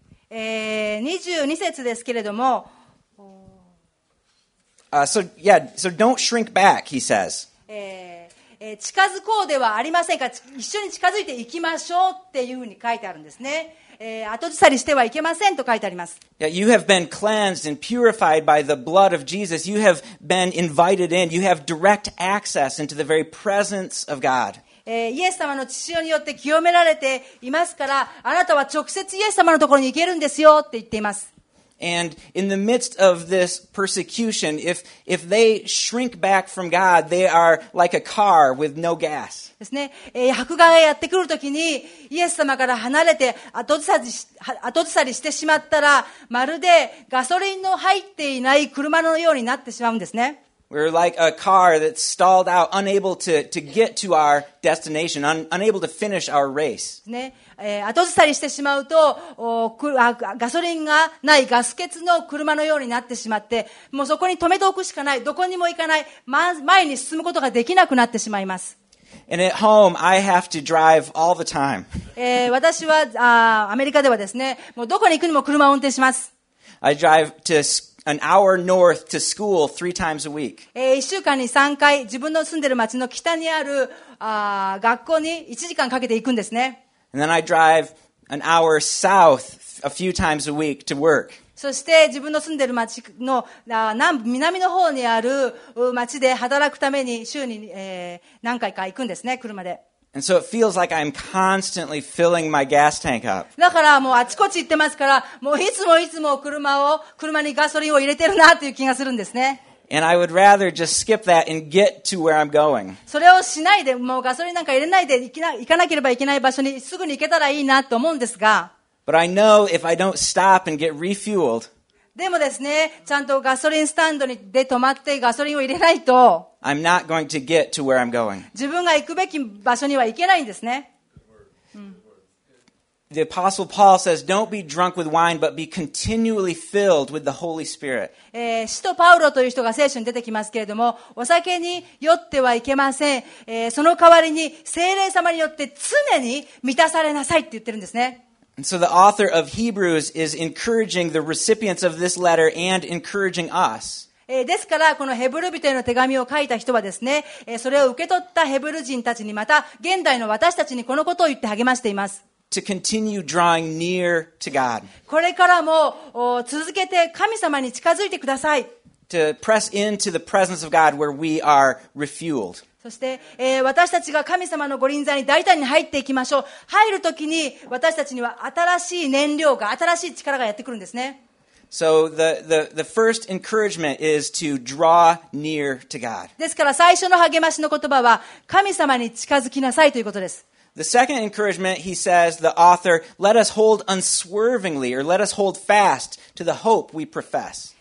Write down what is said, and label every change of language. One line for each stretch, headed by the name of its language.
Japanese: 22節ですけれども、
English: So don't shrink back, he says.
Japanese: 近づこうではありませんか、一緒に近づいていきましょうっていうふうに書いてあるんですね。後ずさりしてはいけませんと書いてあります。
English: Yeah, you have been cleansed and purified by the blood of Jesus. You have been invited in. You have direct access into the very presence of God.
Japanese: イエス様の血潮によって清められていますから、あなたは直接イエス様のところに行けるんですよって言っています。
English: And in the midst of this persecution, if they shrink back from God, they are like a car with no gas.
Japanese: ですね。迫害がやってくるときに、イエス様から離れて後ずさりしてしまったら、まるでガソリンの入っていない車のようになってしまうんですね。
English: We're like a car that's stalled out, unable to get to our destination, unable to finish our race.
Japanese: ね、後ずさりしてしまうと、ガソリンがないガス欠の車のようになってしまって、もうそこに止めておくしかない、どこにも行かない、前に進むことができなくなってしまいます。
English: And at home, I have to drive all the time.
Japanese: 私は、アメリカではですね、もうどこに行くにも車を運転します。
English: I drive to schoolAn hour north to school three times a week.
Japanese: 1週間に3回自分の住んでる町の北にある学校に1時間かけて行くんですね。
English: And then I drive an hour south a few times a week to work.
Japanese: そして自分の住んでる町の南の方にある町で働くために週に何回か行くんですね、車で。
English: And so it feels like I'm constantly filling my gas tank up.
Japanese: だからもうあちこち行ってますから、もういつもいつも車にガソリンを入れてるなという気がするんですね。
English: And I would rather just skip that and get to where I'm going.
Japanese: それをしないで、もうガソリンなんか入れないで行かなければいけない場所にすぐに行けたらいいなと思うんですが。
English: But I know if I don't stop and get refueled.
Japanese: でもですね、ちゃんとガソリンスタンドで止まってガソリンを入れないと。
English: I'm not going to get to where I'm going.
Japanese: 自分が行くべき場所には行けないんですね。
English: The Apostle Paul says, don't be drunk with wine, but be continually filled with the Holy Spirit.
Japanese: 使徒パウロという人が聖書に出てきますけれども、お酒に酔ってはいけません。その代わりに聖霊様によって常に満たされなさいって言ってるんですね。
English: So the author of Hebrews is encouraging the recipients of this letter and encouraging us.
Japanese: ですから、このヘブル人への手紙を書いた人はですね、それを受け取ったヘブル人たちに、また現代の私たちにこのことを言って励ましています。
English: To continue drawing near to God.
Japanese: これからも続けて神様に近づいてください。
English: To press into the presence of God where we are refueled.
Japanese: そして、私たちが神様の御臨在に大胆に入っていきましょう。入るときに私たちには新しい燃料が、新しい力がやってくるんですね。
English: So the first encouragement is to draw near to God.
Japanese: ですから最初の励ましの言葉は神様に近づきなさいということです。
English: The second encouragement, he says, the author, let us hold unswervingly, or let us hold fast to the hope we profess.